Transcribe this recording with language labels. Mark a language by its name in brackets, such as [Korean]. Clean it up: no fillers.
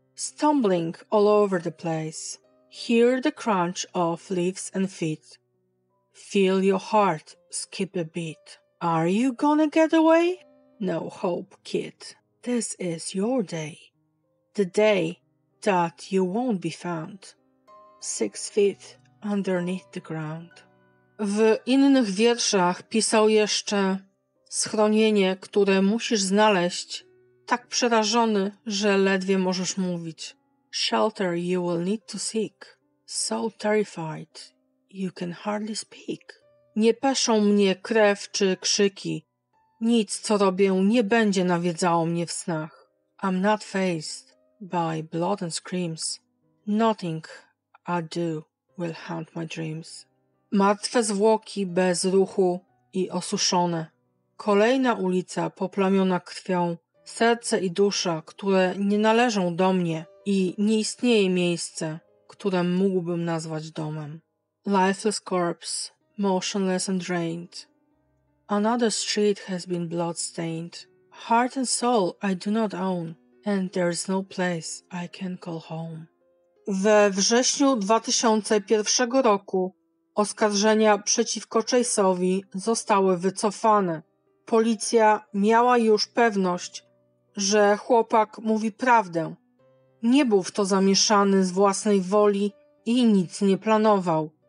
[English] Stumbling all over the place. Hear the crunch of leaves and feet. Feel your heart skip a beat. Are you gonna get away? No hope, kid. This is your day. The day that you won't be found. 6 feet underneath the ground. [Polish] W innych wierszach pisał jeszcze schronienie, które musisz znaleźć, tak przerażony, że ledwie możesz mówić. [English] Shelter you will need to seek. So terrified you can hardly speak. [Polish] Nie peszą mnie krew czy krzyki. Nic, co robię, nie będzie nawiedzało mnie w snach. [English] I'm not faced by blood and screams. Nothing I do will haunt my dreams. [Polish] Martwe zwłoki bez ruchu i osuszone. Kolejna ulica poplamiona krwią. Serce i dusza, które nie należą do mnie i nie istnieje miejsce, które mógłbym nazwać domem. [English] lifeless corpse, motionless and drained. Another street has been blood-stained. Heart and soul I do not own, and there is no place I can call home. [Polish] We wrześniu 2001 roku oskarżenia przeciwko Chase'owi zostały wycofane. Policja miała już pewność, że chłopak mówi prawdę. Nie był w to zamieszany z własnej woli i nic nie planował.